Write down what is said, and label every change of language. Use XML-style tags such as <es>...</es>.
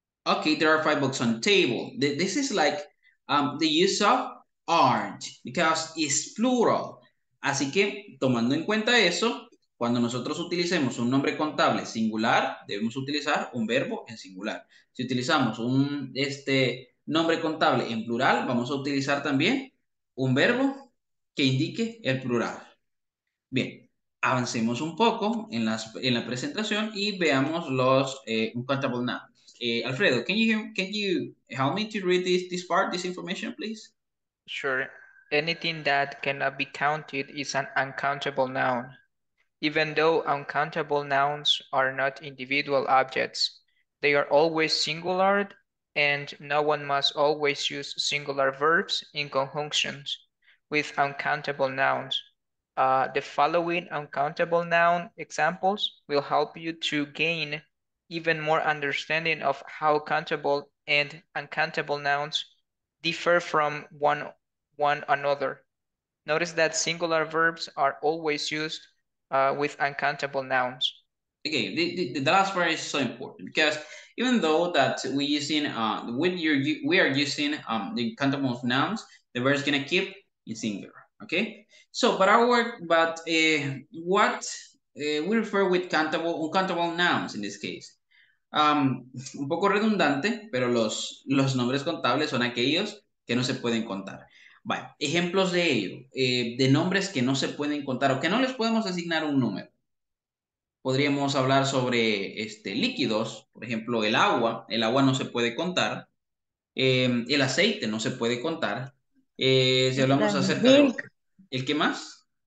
<en>Okay, there are five books on the table. This is like the use of aren't, because it's plural.</en> <es>Así que, tomando en cuenta eso, cuando nosotros utilicemos un nombre contable singular, debemos utilizar un verbo en singular. Si utilizamos un nombre contable en plural, vamos a utilizar también un verbo que indique el plural. Bien, avancemos un poco en la presentación y veamos los contable nouns.</es> <en>Alfredo, can you help me to read this part, this information, please? Sure. Anything that cannot be counted is an uncountable noun. Even though uncountable nouns are not individual objects, they are always singular, and no one must always use singular verbs in conjunctions with uncountable nouns. The following uncountable noun examples will help you to gain even more understanding of how countable and uncountable nouns differ from one another. Notice that singular verbs are always used with uncountable nouns. Okay, the last part is so important, because even though that we are using the countable nouns, the verb is gonna keep in singular. Okay. So, we refer with uncountable nouns in this case.</en> <es>Un poco redundante, pero los nombres contables son aquellos que no se pueden contar. Bueno, ejemplos de ello, de nombres que no se pueden contar o que no les podemos asignar un número. Podríamos hablar sobre líquidos, por ejemplo, el agua no se puede contar, el aceite no se puede contar, si hablamos acerca de ¿el qué más?</es>